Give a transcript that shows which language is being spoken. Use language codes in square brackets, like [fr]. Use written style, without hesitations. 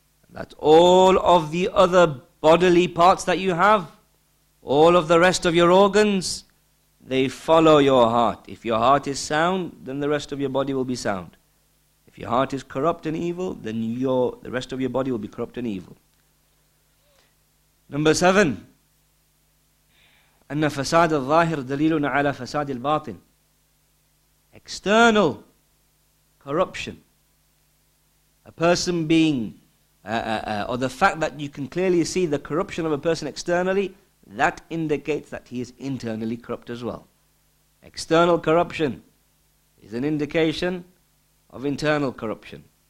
[en] That all of the other bodily parts that you have, all of the rest of your organs, they follow your heart. If your heart is sound, then the rest of your body will be sound. If your heart is corrupt and evil, then the rest of your body will be corrupt and evil. Number seven. [ar] أن فساد الظاهر دليل على فساد الباطن. [en] External corruption. A person being or the fact that you can clearly see the corruption of a person externally, that indicates that he is internally corrupt as well. External corruption is an indication of internal corruption.